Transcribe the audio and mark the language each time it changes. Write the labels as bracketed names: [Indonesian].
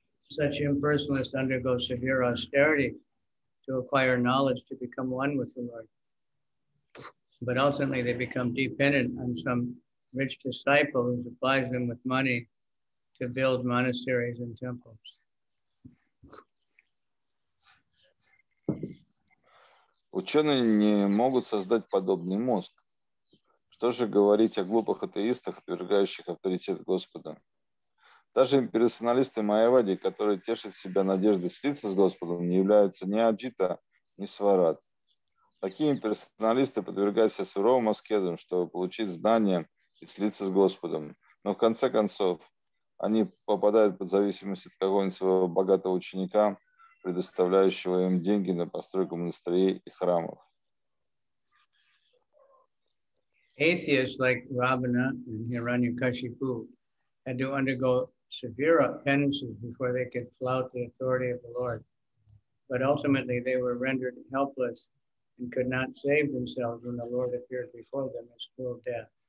[English] Such impersonalists undergo severe austerity to acquire knowledge to become one with the Lord. But ultimately they become dependent on some rich disciple who supplies them with money to build monasteries and temples. [Russian] Ученые не могут создать подобный мозг. Что же говорить о глупых атеистах, отвергающих авторитет Господа? Даже имперсоналисты Майявади, которые тешат себя надеждой слиться с Господом, не являются ни аджита, ни сварат. Такие имперсоналисты подвергаются суровым аскезам, чтобы получить знания и слиться с Господом. Но в конце концов, они попадают под зависимость от какого-нибудь своего богатого ученика, предоставляющего им деньги на постройку монастырей и храмов. [English] Atheists like Ravana and Hiranyakashipu had to undergo severe penances before they could flout the authority of the Lord. But ultimately they were rendered helpless and could not save themselves when the Lord appeared before them as cruel death.